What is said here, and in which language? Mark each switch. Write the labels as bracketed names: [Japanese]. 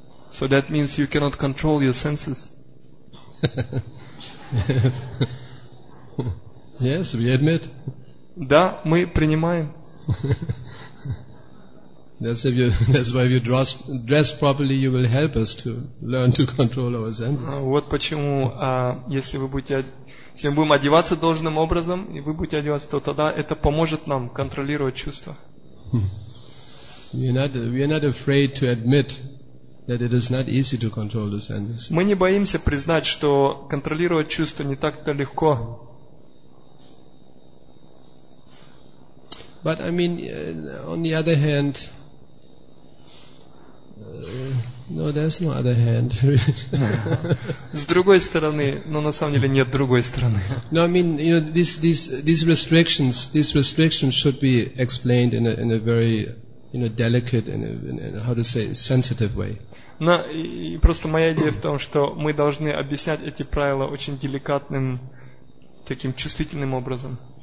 [English] So that means you cannot control your senses. Yes, we admit. [Russian] Да, мы принимаем. [English] That's why we dress properly. You will help us to learn to control our senses. [Russian] Вот почему, если вы будете, если мы будем одеваться должным образом, и вы будете одеваться, то тогда это поможет нам контролировать чувства. [English] We are not afraid to admit that it is not easy to control the senses. [Russian] Мы не боимся признать, что контролировать чувства не так-то легко. [English] But I mean, on the other hand, no, there's no other hand. [Russian] С другой стороны, но на самом деле нет другой стороны. [English] No, I mean, you know, these restrictions should be explained in a very, you know, delicate and how to say, sensitive way. [Russian] Но и просто моя идея в том, что мы должны объяснять эти правила очень деликатным, таким чувствительным образом.